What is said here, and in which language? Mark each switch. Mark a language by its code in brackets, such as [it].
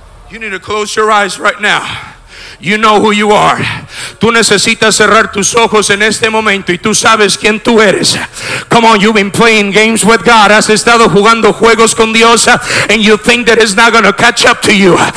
[en] You need to close your eyes right now. You know who you are. [es] Tú necesitas cerrar tus ojos en este momento y tú sabes quién tú eres. [en] Come on, you've been playing games with God. [es] Has estado jugando juegos con Dios, [en] and you think that it's not going to catch up to you.